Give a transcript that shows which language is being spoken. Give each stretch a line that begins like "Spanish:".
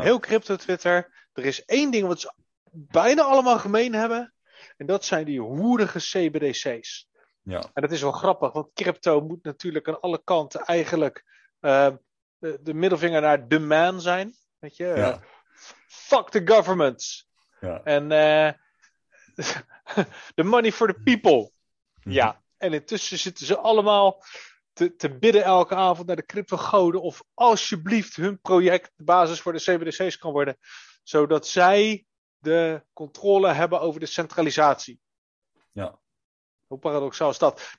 Dutch: Heel crypto Twitter. Er is één ding wat ze bijna allemaal gemeen hebben. En dat zijn die hoerige CBDC's. Ja. En dat is wel grappig, want crypto moet natuurlijk aan alle kanten eigenlijk de middelvinger naar de man zijn. Weet je? Ja.
English: Fuck the government.
Dutch: Ja.
English: En the money for the people.
Dutch: Ja. En intussen zitten ze allemaal te bidden elke avond naar de crypto-goden of alsjeblieft hun project de basis voor de CBDC's kan worden. Zodat zij de controle hebben over de centralisatie. Ja. Hoe paradoxaal is dat?